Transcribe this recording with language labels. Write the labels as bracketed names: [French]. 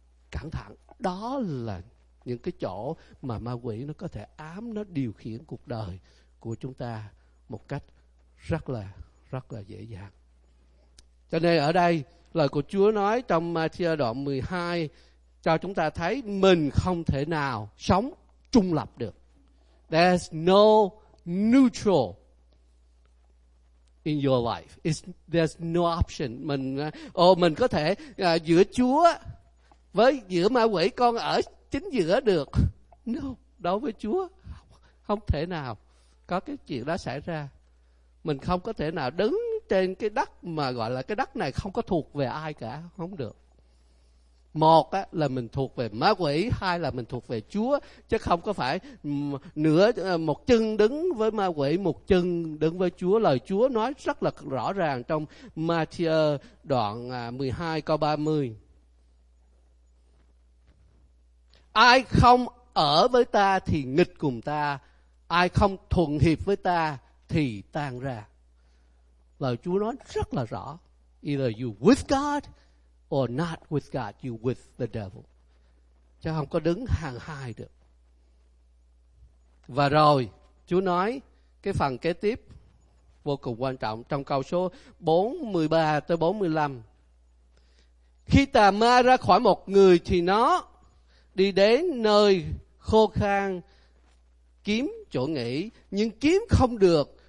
[Vietnamese] Cẩn thận, đó là những cái chỗ mà ma quỷ nó có thể ám, nó điều khiển cuộc đời của chúng ta một cách rất là dễ dàng. Cho nên ở đây lời của Chúa nói trong Matthew đoạn 12 cho chúng ta thấy mình không thể nào sống trung lập được. [English] There's no neutral in your life. There's no option. [Vietnamese] Mình có thể giữa Chúa với giữa ma quỷ con ở chính giữa được. No, đối với Chúa không thể nào có cái chuyện đó xảy ra. Mình không có thể nào đứng trên cái đất mà gọi là cái đất này không có thuộc về ai cả, không được. Một á, là mình thuộc về ma quỷ, hai là mình thuộc về Chúa, chứ không có phải nửa một chân đứng với ma quỷ, một chân đứng với Chúa. Lời Chúa nói rất là rõ ràng trong Matthew đoạn 12 câu 30. Ai không ở với ta thì nghịch cùng ta, ai không thuận hiệp với ta thì tan ra. Lời Chúa nói rất là rõ. [English] Either you with God or not with God, you with the devil. [Vietnamese] Chứ không có đứng hàng hai được. Và rồi, Chúa nói cái phần kế tiếp vô cùng quan trọng trong câu số 43-45. Khi tà ma ra khỏi một người thì nó đi đến nơi khô khan kiếm chỗ nghỉ, nhưng kiếm không được.